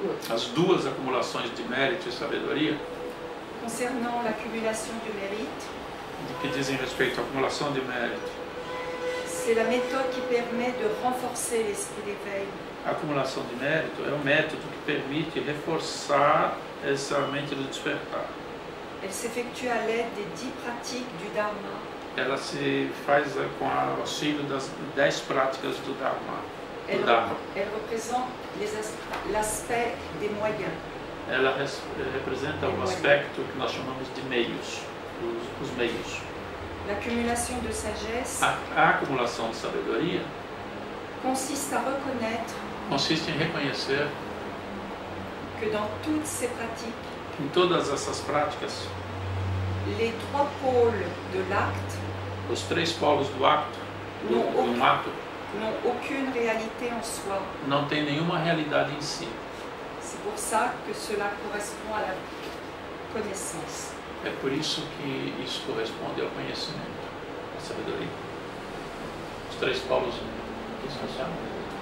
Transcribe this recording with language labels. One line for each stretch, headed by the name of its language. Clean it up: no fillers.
Portuguese: As 2 acumulações de mérito e sabedoria.
French: Concernant l'accumulation du mérite.
Portuguese: De que dizem respeito à acumulação de mérito.
French: C'est la méthode qui permet de renforcer l'esprit d'éveil.
Portuguese: A acumulação de mérito é o método que permite reforçar essa mente do despertar.
French: Elle s'effectue à l'aide des 10 pratiques du Dharma.
Portuguese: Ela se faz com o auxílio das 10 práticas do Dharma.
French: Elle représente l'aspect des moyens.
Portuguese: Ela representa um aspecto que nós chamamos de meios, os meios.
French: L'accumulation de sagesse.
Portuguese: A acumulação de sabedoria.
French: Consiste à reconnaître.
Portuguese: Consiste em reconhecer.
French: Que dans toutes ces pratiques.
Portuguese: Em todas essas práticas,
French: les trois pôles de l'acte,
Portuguese: os três polos do acto,
French: n'ont aucune réalité en soi.
Portuguese: Não tem nenhuma realidade em si.
French: C'est pour ça que cela correspond à la connaissance.
Portuguese: É por isso que isso corresponde ao conhecimento, à sabedoria. Os três polos que se chamam.